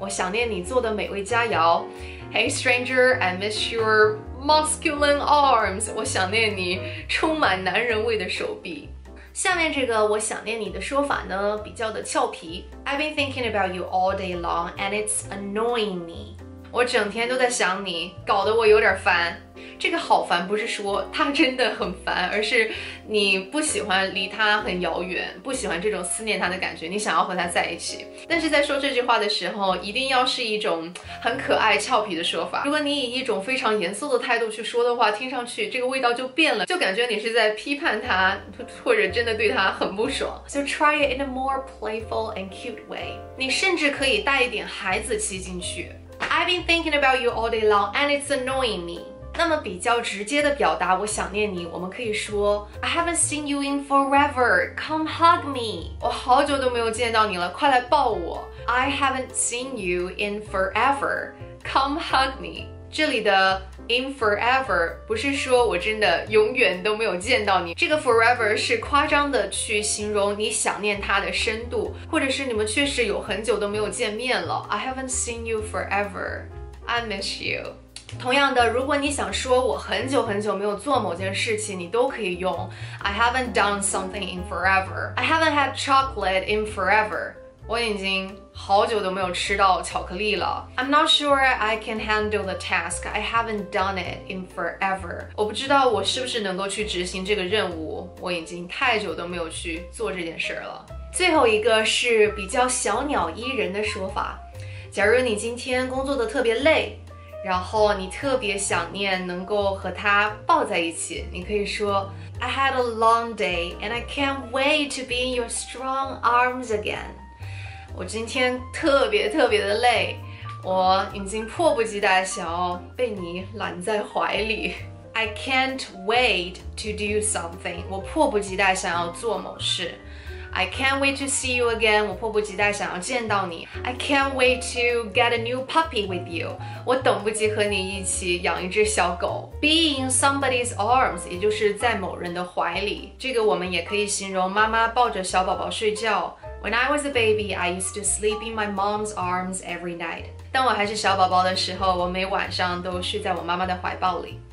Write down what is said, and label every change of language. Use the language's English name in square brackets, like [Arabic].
[Chinese] 我想念你做的美味佳肴。 [English] Hey stranger, I miss your masculine arms. [Chinese] 我想念你充满男人味的手臂。下面这个我想念你的说法呢，比较的俏皮。 [English] I've been thinking about you all day long and it's annoying me. [Chinese] 我整天都在想你，搞得我有点烦。这个好烦不是说他真的很烦，而是你不喜欢离他很遥远，不喜欢这种思念他的感觉，你想要和他在一起。但是在说这句话的时候一定要是一种很可爱俏皮的说法，如果你以一种非常严肃的态度去说的话，听上去这个味道就变了，就感觉你是在批判他，或者真的对他很不爽。 [English] So try it in a more playful and cute way. [Chinese] 你甚至可以带一点孩子气进去。 [English] I've been thinking about you all day long and it's annoying me. [Chinese] 那么比较直接的表达我想念你，我们可以说 [English] I haven't seen you in forever, come hug me. [Chinese] 我好久都没有见到你了，快来抱我。 [English] I haven't seen you in forever, come hug me. [Chinese] 这里的 in forever 不是说我真的永远都没有见到你，这个 forever 是夸张的去形容你想念他的深度，或者是你们确实有很久都没有见面了。 [English] I haven't seen you forever, I miss you. [Chinese] 同样的，如果你想说我很久很久没有做某件事情，你都可以用 [English] I haven't done something in forever, I haven't had chocolate in forever, [Chinese] 我已经好久都没有吃到巧克力了。 [English] I'm not sure I can handle the task. I haven't done it in forever. [Chinese] 我不知道我是不是能够去执行这个任务。我已经太久都没有去做这件事了。最后一个是比较小鸟依人的说法。假如你今天工作得特别累，然后你特别想念能够和他抱在一起，你可以说 [English] I had a long day, and I can't wait to be in your strong arms again. [Chinese] 我今天特别特别的累，我已经迫不及待想要被你揽在怀里。 [English] I can't wait to do something. [Chinese] 我迫不及待想要做某事。 [English] I can't wait to see you again. [Chinese] 我迫不及待想要见到你。 [English] I can't wait to get a new puppy with you. [Chinese] 我等不及和你一起养一只小狗。 [English] Be in somebody's arms, [Chinese] 也就是在某人的怀里。这个我们也可以形容妈妈抱着小宝宝睡觉。 [English] When I was a baby, I used to sleep in my mom's arms every night. [Chinese] 当我还是小宝宝的时候，我每晚上都睡在我妈妈的怀抱里。